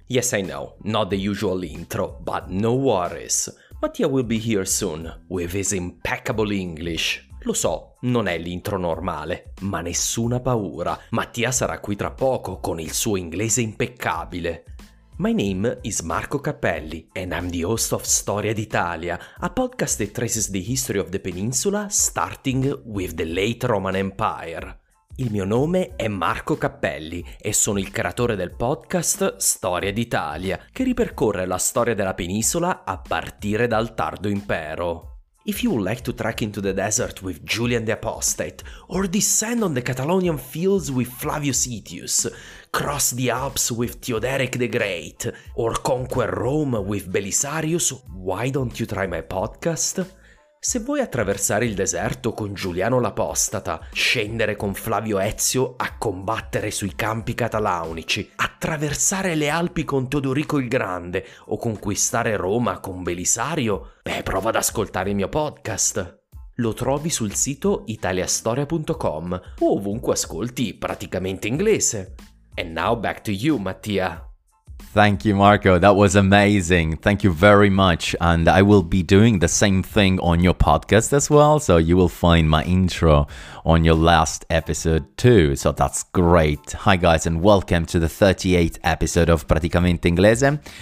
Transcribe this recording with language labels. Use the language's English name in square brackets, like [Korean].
[English] Yes, I know, not the usual intro, but no worries. Mattia will be here soon with his impeccable English. [Italian] Lo so, non è l'intro normale, ma nessuna paura. Mattia sarà qui tra poco con il suo inglese impeccabile. [English] My name is Marco Cappelli and I'm the host of Storia d'Italia, a podcast that traces the history of the peninsula starting with the late Roman Empire. [Italian] Il mio nome è Marco Cappelli e sono il creatore del podcast Storia d'Italia, che ripercorre la storia della penisola a partire dal tardo impero. [English] If you would like to trek into the desert with Julian the Apostate, or descend on the Catalonian fields with Flavius Aetius, cross the Alps with Theoderic the Great, or conquer Rome with Belisarius, why don't you try my podcast? [Italian] Se vuoi attraversare il deserto con Giuliano l'Apostata, scendere con Flavio Ezio a combattere sui campi catalaunici, attraversare le Alpi con Teodorico il Grande o conquistare Roma con Belisario, beh, prova ad ascoltare il mio podcast. Lo trovi sul sito italiastoria.com o ovunque ascolti Praticamente Inglese. [English] And now back to you, Mattia. Thank you, Marco. That was amazing. Thank you very much. And I will be doing the same thing on your podcast as well. So you will find my intro on your last episode too. So that's great. Hi, guys, and welcome to the 38th episode of Praticamente Inglese.